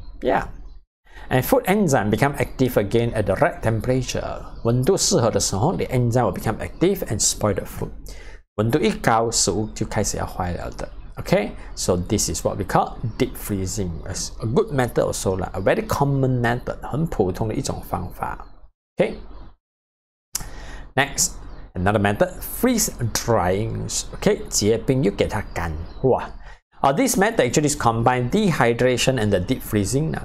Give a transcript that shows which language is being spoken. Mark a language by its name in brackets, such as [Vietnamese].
[English] Yeah, and food enzyme become active again at the right temperature, [Chinese] 温度适合的时候， [English] the enzyme will become active and spoil the food. [Chinese] 温度一高，食物就开始要坏了的。 [English] Okay, so this is what we call deep freezing. It's a good method also, like a very common method, [Chinese] 很普通的一种方法。 [English] Okay, next, another method, freeze drying. [Chinese] Okay, 结冰又给它干。 [English] 哇、this method actually is combined dehydration and the deep freezing.